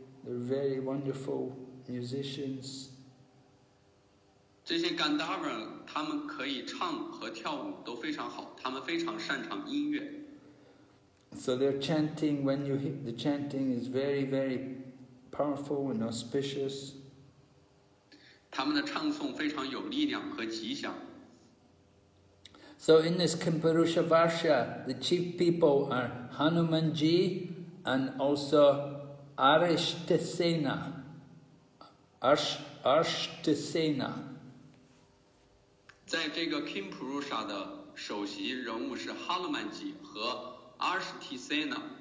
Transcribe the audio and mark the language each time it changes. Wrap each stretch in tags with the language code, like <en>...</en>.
<en>They're very wonderful musicians.</en> <zh>这些 Gandharva, 他们可以唱和跳舞都非常好，他们非常擅长音乐。</zh> <en>So they're chanting, when you hear the chanting is very, very powerful and auspicious.</en> <zh>他们的唱诵非常有力量和吉祥。</zh> <en>So in this Kimpurusha Varsha, the chief people are Hanumanji and also Arishtasena. Arishtasena.</en> <zh>在这个 Kimpurusha 的首席人物是 Hanumanji 和 Arishtasena.</zh>